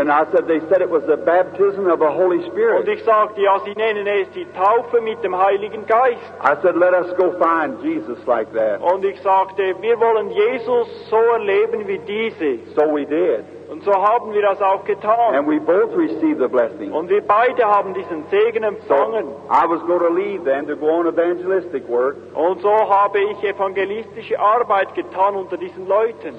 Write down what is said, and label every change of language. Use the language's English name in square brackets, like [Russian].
[English] And I said, they said it was the baptism of the Holy Spirit. [German] Und ich sagte, ja, sie nennen es die Taufe mit dem Heiligen Geist. [English] I said, let us go find Jesus like that. [German] Und ich sagte, wir wollen Jesus so erleben wie diese. [English] So we did. [German] Und so haben wir das auch getan. [English] And we both received the blessing. [German] Und wir beide haben diesen Segen empfangen. [English] So I was going to leave then to go on evangelistic work. [German] Und so habe ich evangelistische Arbeit getan unter diesen Leuten.